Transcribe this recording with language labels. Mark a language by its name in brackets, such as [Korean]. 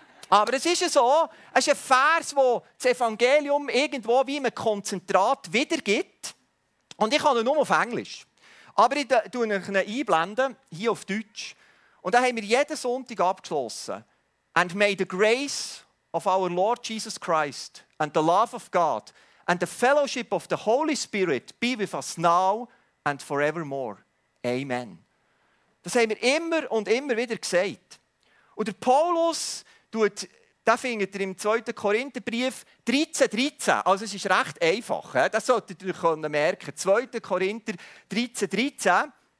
[German] Aber es ist so, es ist ein Vers, der das Evangelium irgendwo wie ein Konzentrat wiedergibt. Und ich kann ihn nur auf Englisch. Aber ich blende ihn einblenden, hier auf Deutsch. Und dann haben wir jeden Sonntag abgeschlossen. [English] And may the grace of our Lord Jesus Christ and the love of God and the fellowship of the Holy Spirit be with us now and forevermore. Amen. [German] Das haben wir immer und immer wieder gesagt. Und der Paulus tut, da findet ihr im 2. Korintherbrief 13,13. Also es ist recht einfach. Das solltet ihr können merken. 2. Korinther 13,13.